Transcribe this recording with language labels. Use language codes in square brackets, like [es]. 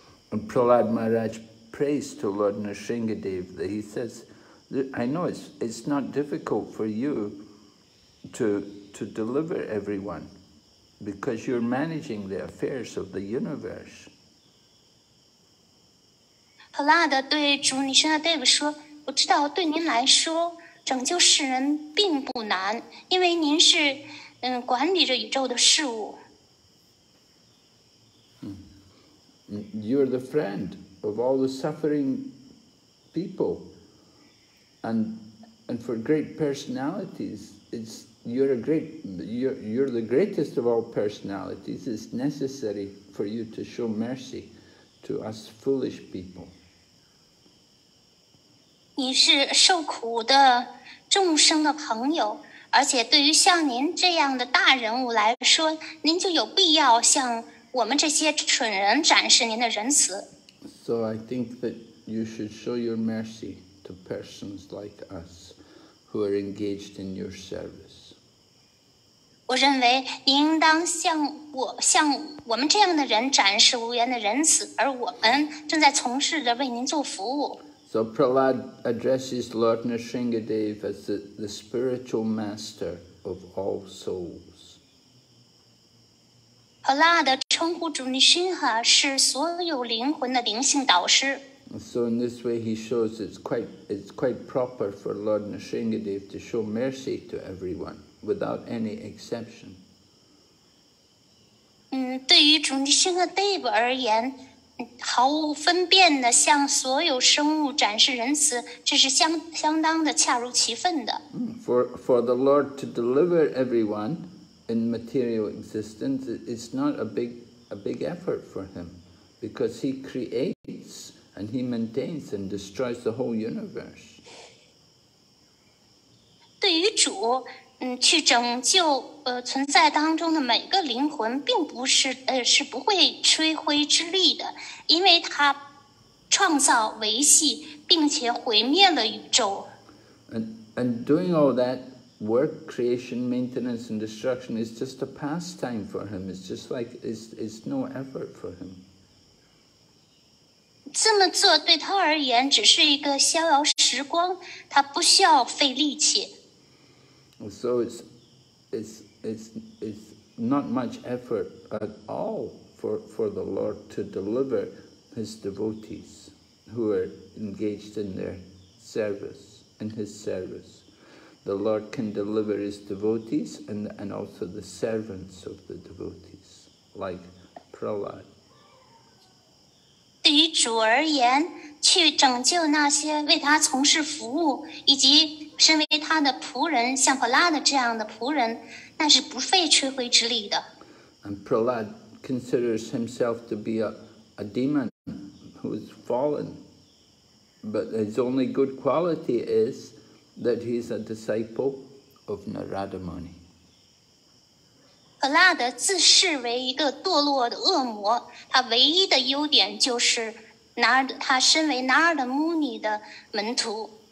[en] And Prahlad Maharaj prays to Lord Nrisingadev that he says, I know it's not difficult for you to deliver everyone because you're managing the affairs of the universe. [zh] Prahlad 对主尼沙德夫说，我知道对您来说拯救世人并不难，因为您是管理着宇宙的事物。 [en] You're the friend of all the suffering people, and for great personalities, you're the greatest of all personalities. It's necessary for you to show mercy to us foolish people. [zh] 你是受苦的众生的朋友，而且对于像您这样的大人物来说，您就有必要向我们这些蠢人展示您的仁慈。 [en] So I think that you should show your mercy to persons like us who are engaged in your service. [zh] 我认为您应当向我们这样的人展示无缘的仁慈，而我们正在从事着为您做服务。 [en] So Prahlad addresses Lord Nrisingadev as the spiritual master of all souls. [zh] Prahlad 称呼主尼辛哈是所有灵魂的灵性导师。 [en] So in this way he shows it's quite proper for Lord Nrisingadev to show mercy to everyone without any exception. [zh] 对于主尼辛哈德夫而言，毫无分辨的向所有生物展示仁慈，这是相当的恰如其分的。 [en] For the Lord to deliver everyone in material existence, it's not a big effort for him, because he creates and he maintains and destroys the whole universe. [zh] 对于主，去拯救存在当中的每个灵魂，并不是是不会吹灰之力的，因为他创造、维系并且毁灭了宇宙。 [en] And doing all that work, creation, maintenance, and destruction is just a pastime for him. It's just like it's no effort for him. [zh] 这么做对他而言只是一个逍遥时光，他不需要费力气。 [en] So it's not much effort at all for the Lord to deliver his devotees who are engaged in their service, in his service. The Lord can deliver his devotees and also the servants of the devotees, like Prahlad. [zh] 对于主而言，去拯救那些为他从事服务以及身为他的仆人，像普拉德这样的仆人，那是不费吹灰之力的。 [en] And Prahlad considers himself to be a demon who is fallen, but his only good quality is that he's a disciple of Narada Muni. [zh] 普拉德自视为一个堕落的恶魔，他唯一的优点就是他身为Narada Muni的门徒。